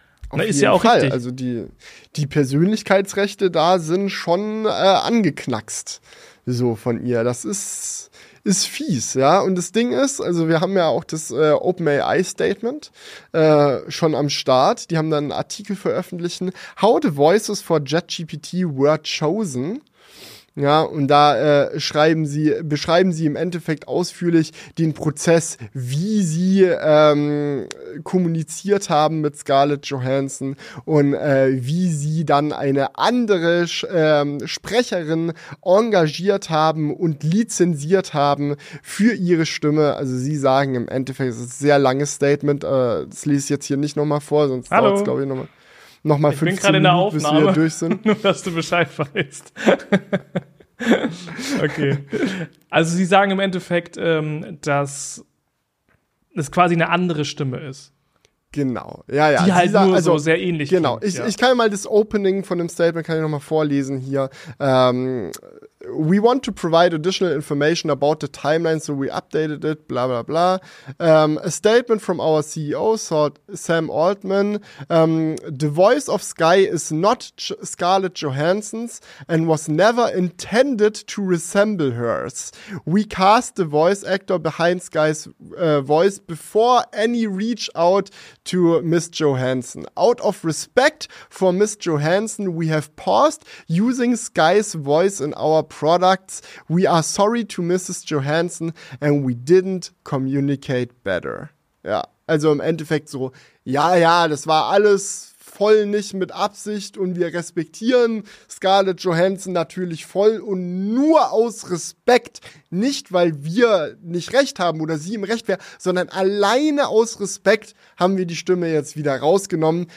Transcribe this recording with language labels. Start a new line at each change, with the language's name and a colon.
German: Auf jeden ist ja auch Fall. Richtig. Also die Persönlichkeitsrechte da sind schon angeknackst so von ihr. Das ist fies, ja. Und das Ding ist, also wir haben ja auch das OpenAI-Statement schon am Start. Die haben dann einen Artikel veröffentlichen.
English: How the voices for ChatGPT were chosen.
German: Ja, und da beschreiben sie im Endeffekt ausführlich den Prozess, wie sie kommuniziert haben mit Scarlett Johansson und wie sie dann eine andere Sprecherin engagiert haben und lizenziert haben für ihre Stimme. Also sie sagen im Endeffekt, es ist ein sehr langes Statement, das lese ich jetzt hier nicht nochmal vor, sonst dauert es, glaube ich, nochmal. Nochmal 15 Minuten, bis wir durch sind. Ich bin gerade in der Aufnahme, nur dass du Bescheid weißt. Okay. Also sie sagen im Endeffekt, dass es quasi eine andere Stimme ist. Genau, ja, ja. Die halt sie nur sagen, also, so sehr ähnlich ist. Genau, ich kann mal das Opening von dem Statement kann ich nochmal vorlesen hier.
English: We want to provide additional information about the timeline, so we updated it, bla bla bla. A statement from our CEO, Sam Altman. The voice of Sky is not Scarlett Johansson's and was never intended to resemble hers. We cast the voice actor behind Sky's voice before any reach out to Miss Johansson. Out of respect for Miss Johansson, we have paused using Sky's voice in our products. We are sorry to Mrs. Johansson and we didn't communicate better.
German: Ja, also im Endeffekt so, ja, ja, das war alles voll nicht mit Absicht und wir respektieren Scarlett Johansson natürlich voll und nur aus Respekt, nicht weil wir nicht recht haben oder sie im Recht wäre, sondern alleine aus Respekt haben wir die Stimme jetzt wieder rausgenommen.